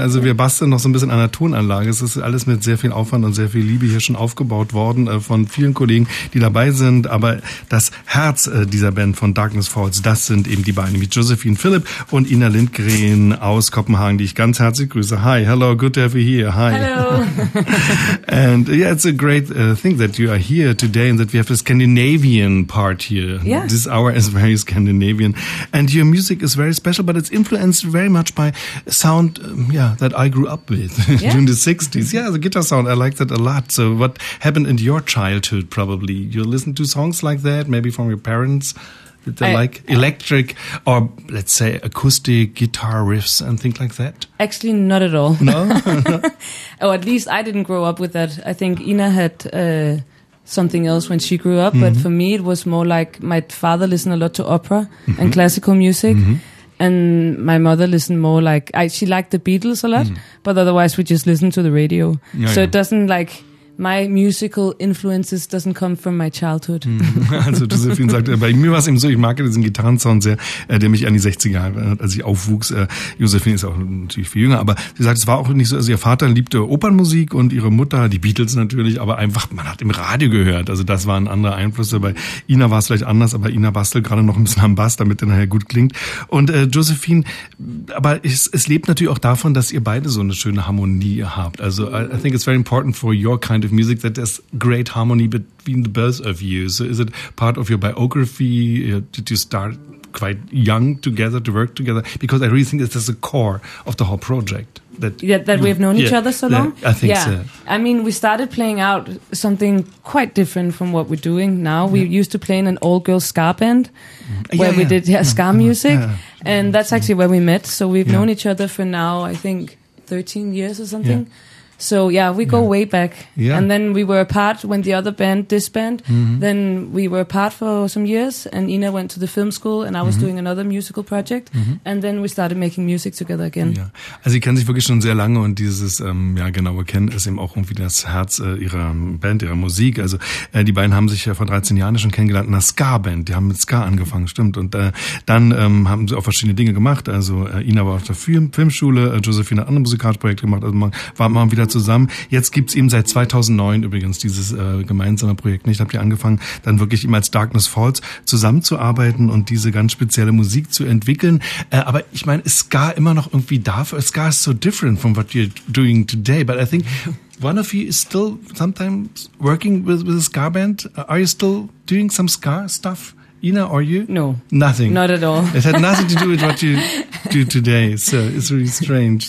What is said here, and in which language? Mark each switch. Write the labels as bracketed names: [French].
[German] Also wir basteln noch so ein bisschen an der Tonanlage. Es ist alles mit sehr viel Aufwand und sehr viel Liebe hier schon aufgebaut worden von vielen Kollegen, die dabei sind. Aber das Herz dieser Band von Darkness Falls, das sind eben die beiden, wie Josephine Philipp und Ina Lindgren aus Kopenhagen, die ich ganz herzlich grüße. [English] Hi, hello, good to have you here. Hi. Hello. And yeah, it's a great thing that you are here today and that we have the Scandinavian part here. Yeah. This hour is very Scandinavian, and your music is very special, but it's influenced very much by sound that I grew up with during the 60s. Yeah, the guitar sound, I liked that a lot. So what happened in your childhood? Probably you listened to songs like that, maybe from your parents. Did they like electric or, let's say, acoustic guitar riffs and things like that? Actually, not at all. No? Oh, at least I didn't grow up with that. I think Ina had something else when she grew up, but for me it was more like my father listened a lot to opera and classical music, and my mother listened more like she liked the Beatles a lot, but otherwise we just listened to the radio. It doesn't like my musical influences doesn't come from my childhood. [German] Also Josephine sagt, bei mir war es eben so, ich mag diesen Gitarrensound sehr, der mich an die 60er erinnert, als ich aufwuchs. Josephine ist auch natürlich viel jünger, aber sie sagt, es war auch nicht so, also ihr Vater liebte Opernmusik und ihre Mutter, die Beatles natürlich, aber einfach, man hat im Radio gehört. Also das waren andere Einflüsse. Bei Ina war es vielleicht anders, aber Ina bastelt gerade noch ein bisschen am Bass, damit er nachher gut klingt. Und Josephine, aber es lebt natürlich auch davon, dass ihr beide so eine schöne Harmonie habt. [English] Also I think it's very important for your kind of music that there's great harmony between the both of you. So is it part of your biography? Did you start quite young together to work together? Because I really think this is the core of the whole project. That we have known each other so long? I think so. I mean, we started playing out something quite different from what we're doing now. We used to play in an all-girls ska band where we did ska music. And that's actually where we met. So we've known each other for now, I think, 13 years or something. So yeah, we go way back. Yeah. And then we were apart when the other band disbanded. Mm-hmm. Then we were apart for some years and Ina went to the film school and I was doing another musical project. Mm-hmm. And then we started making music together again. [German] Ja. Also sie kennen sich wirklich schon sehr lange und dieses genaue Kennen ist eben auch irgendwie das Herz ihrer Band, ihrer Musik. Also die beiden haben sich ja vor 13 Jahren schon kennengelernt in einer Ska-Band. Die haben mit Ska angefangen, stimmt. Und dann haben sie auch verschiedene Dinge gemacht. Also Ina war auf der Filmschule, Josephine hat andere Musikalprojekte gemacht. Also man war mal wieder zusammen. Jetzt gibt's eben seit 2009 übrigens dieses gemeinsame Projekt. Ich habe hier angefangen, dann wirklich eben als Darkness Falls zusammenzuarbeiten und diese ganz spezielle Musik zu entwickeln. Aber ich meine, ist Ska immer noch irgendwie da? [English] Ska is so different from what you're doing today. But I think one of you is still sometimes working with a Ska band. Are you still doing some Ska stuff? Ina, are you? No. Nothing? Not at all. It had nothing to do with what you do today, so it's really strange.